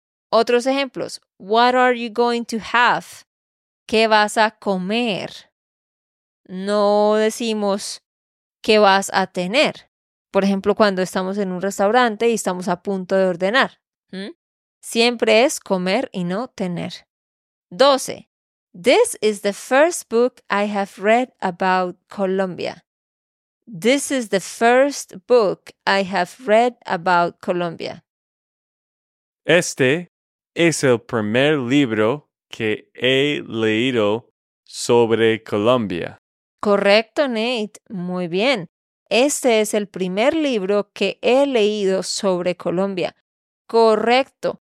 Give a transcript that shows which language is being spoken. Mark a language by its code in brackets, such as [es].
[es] Otros ejemplos. [en] What are you going to have? [es] ¿Qué vas a comer? No decimos qué vas a tener. Por ejemplo, cuando estamos en un restaurante y estamos a punto de ordenar. Siempre es comer y no tener. 12. [en] This is the first book I have read about Colombia. This is the first book I have read about Colombia. [es] Este es el primer libro que he leído sobre Colombia. Correcto, Nate. Muy bien. Este es el primer libro que he leído sobre Colombia. Correcto.